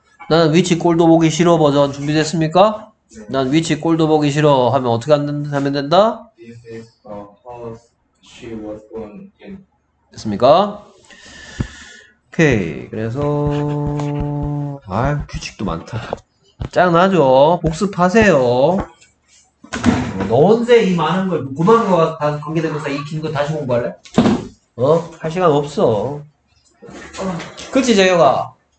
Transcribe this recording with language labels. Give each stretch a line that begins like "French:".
Korean: 나는 위치 꼴도 보기 싫어 버전 준비됐습니까? 네. 난 위치 꼴도 보기 싫어 하면 어떻게 하면 된다?
English: This is the house she was born in.
Korean: 됐습니까? 오케이. 그래서 아, 규칙도 많다. 짜증나죠? 복습하세요. 너 언제 이 많은 걸, 9만 거 다 관계되면서 이 긴 거 다시 공부할래? 어? 할 시간 없어. 그치, 재혁아?